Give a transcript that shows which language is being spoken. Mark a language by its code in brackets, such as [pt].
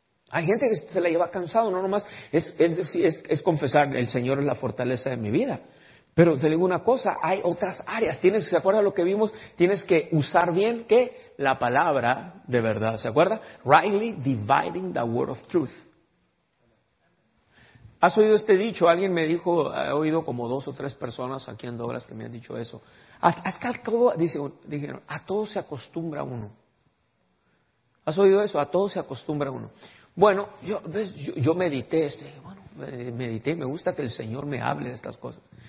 [es] Hay gente que se la lleva cansado, no nomás. Es confesar, el Señor es la fortaleza de mi vida. Pero te digo una cosa, hay otras áreas. Tienes, ¿se acuerda lo que vimos? Tienes que usar bien, ¿qué? La palabra de verdad, ¿se acuerda? [en] Rightly dividing the word of truth. [es] ¿Has oído este dicho? Alguien me dijo, he oído como dos o tres personas aquí en Douglas que me han dicho eso. Hasta al cabo, dijeron, a todo se acostumbra uno. ¿Has oído eso? A todo se acostumbra uno. Bueno, yo medité esto. Bueno, medité, me gusta que el Señor me hable de estas cosas.